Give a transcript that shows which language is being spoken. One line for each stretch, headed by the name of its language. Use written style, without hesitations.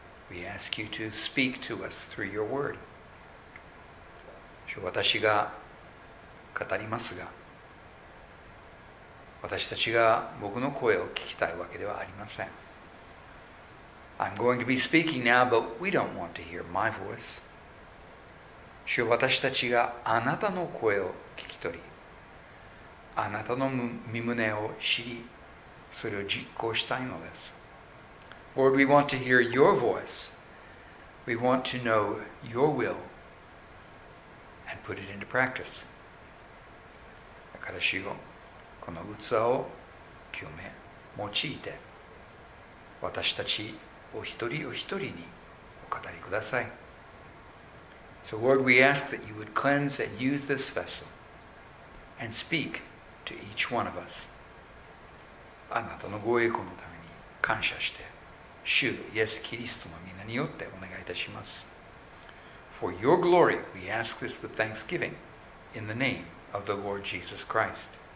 English: We ask you to speak to us through your word.
Japanese: 私が語りますが、私たちが僕の声を聞きたいわけではありません。
English: I'm going to be speaking now, but we don't want to hear my voice.
Japanese: 主、私たちがあなたの声を聞き取り、あなたの御旨を知り、それを実行したいのです。
English: Lord, we want to hear your voice. We want to know your will. And put it into practice.
Japanese: だから主よ、この器を清め、用いて、私たちお一人お一人にお語りください。
English: So Lord, we ask that you would cleanse and use this vessel and speak to each one of us.
Japanese: あなたのご栄光のために感謝して、主イエス・キリストの名によってお願いいたします。
English: For your glory, we ask this with thanksgiving in the name of the Lord Jesus Christ.